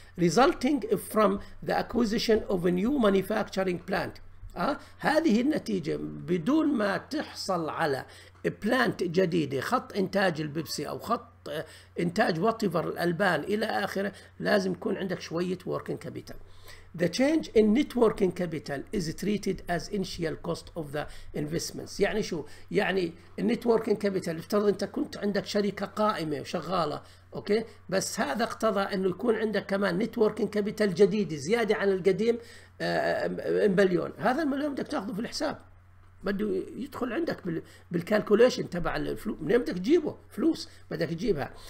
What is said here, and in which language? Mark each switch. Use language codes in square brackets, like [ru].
[en] resulting from the acquisition of new manufacturing plant, [ar] هذه النتيجه بدون ما تحصل على بلانت جديده، خط انتاج البيبسي او خط انتاج واتيفر الالبان الى اخره، لازم يكون عندك شويه وركينج كابيتال. [en] The change in net working capital is treated as initial cost of the investments. [ar] يعني شو؟ يعني النت وركينج كابيتال، افترض انت كنت عندك شركه قائمه وشغاله، اوكي؟ بس هذا اقتضى انه يكون عندك كمان نت وركينج كابيتال جديده زياده عن القديم مليون، هذا المليون بدك تاخذه في الحساب. بده يدخل عندك بالكالكوليشن تبع الفلوس، منين بدك تجيبه؟ فلوس بدك تجيبها.